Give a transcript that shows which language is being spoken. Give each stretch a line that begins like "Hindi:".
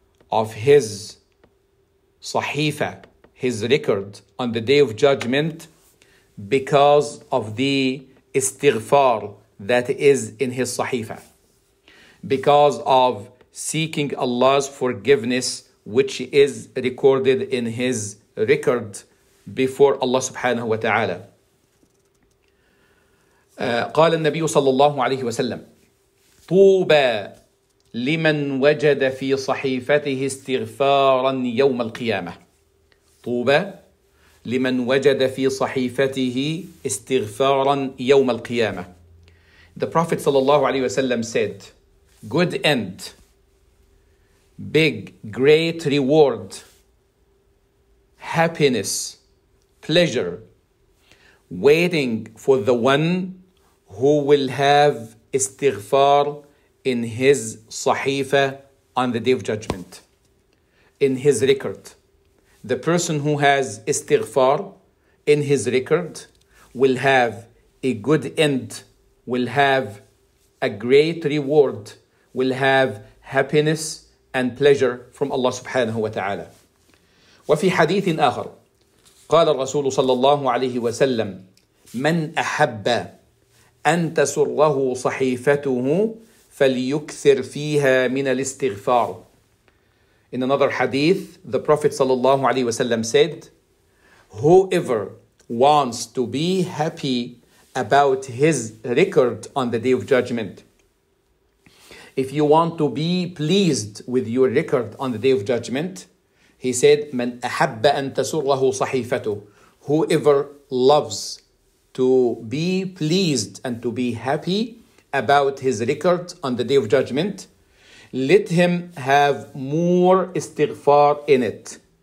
English: of his sahifa, his record on the day of judgment, because of the istighfar that is in his sahifa, because of seeking Allah's forgiveness, which is recorded in his record before Allah subhanahu wa ta'ala.
Arabic: قال النبي صلى الله عليه وسلم طوبى لمن وجد في صحيفته استغفارا يوم القيامة. طوبى لمن وجد في صحيفته استغفارا يوم القيامة.
English: The Prophet sallallahu alaihi wasallam said, good end, big, great reward, happiness, pleasure, waiting for the one who will have istighfar in his sahifa on the day of judgment, in his record. The person who has istighfar in his record will have a good end, will have a great reward, will have happiness and pleasure from Allah subhanahu wa ta'ala.
Arabic: وفي حديث آخر قال الرسول صلى الله عليه وسلم من أحب أن تسره صحيفته فليكثر فيها من الاستغفار.
English: In another hadith, the Prophet sallallahu alaihi wasallam said, whoever wants to be happy about his record on the day of judgment, if you want to be pleased with your record on the day of judgment, he said,
Arabic: من أحب أن تسره صحيفته,
English: whoever loves to be pleased and to be happy about his record on the day of judgment, let him have more istighfar in it.